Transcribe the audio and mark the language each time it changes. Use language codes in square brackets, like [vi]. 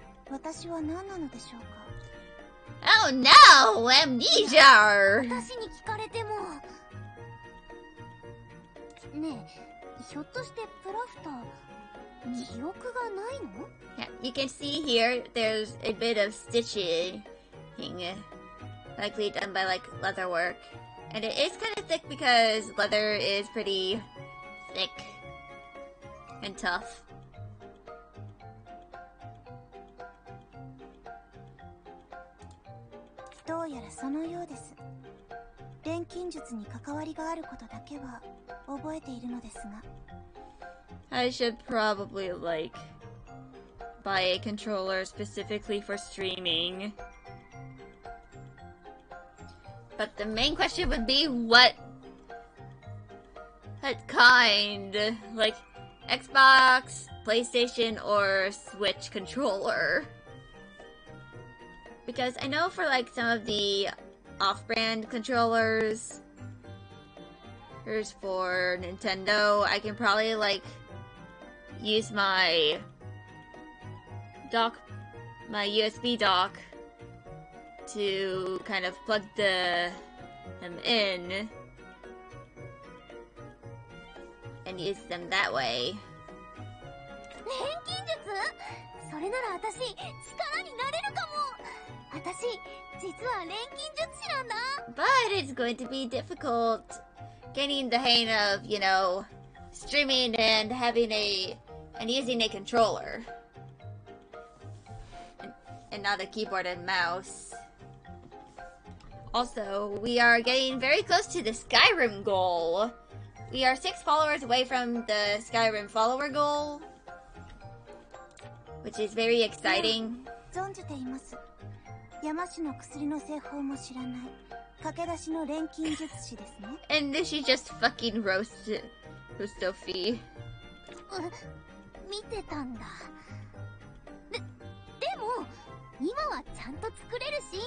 [ja] 私は何なのでしょうか [en] Oh no, amnesia! [ja] 私に聞かれても。ねえ、ひょっとしてプラフト、記憶がないの [en] Yeah, you can see here, there's a bit of stitching, likely done by, like, leather work. And it is kind of thick because leather is pretty thick and tough. [ja] どうやらそのようです。錬金術に関わりがあることだけは覚えているのですが。 [en] I should probably like buy a controller specifically for streaming. But the main question would be what kind? Like Xbox, PlayStation, or Switch controller? Because I know for like some of theoff-brand controllers. Here's for Nintendo. I can probably, like, use my USB dock to kind of plug them in and use them that way. [ja] 錬金術？それなら私、力になれるかも！私実は錬金術師なんだ。 [en] But it's going to be difficult getting the hang of, you know, streaming and using a controller. And not a keyboard and mouse. Also, we are getting very close to the Skyrim goal. We are 6 followers away from the Skyrim follower goal. which is very exciting. [ja] 存じています。山氏の薬の製法も知らない。駆け出しの錬金術師ですね。 [en] And then she just fucking roasts Hustofi. [ja] 見てたんだ。でも、今はちゃんと作れるし。